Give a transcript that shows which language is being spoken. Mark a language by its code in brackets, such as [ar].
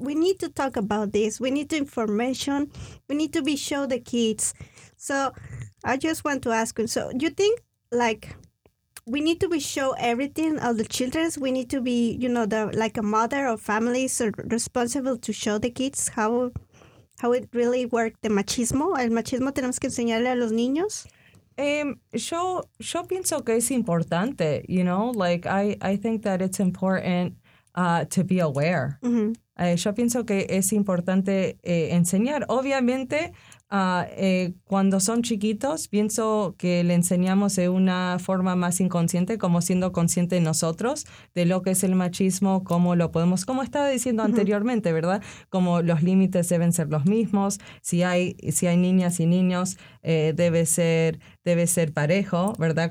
[en] We need to talk about this. We need information. We need to be show the kids. So I just want to ask you. So you think like we need to be show everything of the children? We need to be, you know, the like a mother or family is responsible to show the kids how it really worked, the machismo. [es] El machismo tenemos que enseñarle a los niños. Yo pienso que es importante, [en] you know, like I think that it's important to be aware. Mm-hmm. [es] Yo pienso que es importante enseñar. Obviamente, cuando son chiquitos, pienso que le enseñamos de una forma más inconsciente, como siendo consciente nosotros de lo que es el machismo, cómo lo podemos, como estaba diciendo uh-huh. anteriormente, ¿verdad? Como los límites deben ser los mismos, si hay niñas y niños, debe ser parejo, ¿verdad?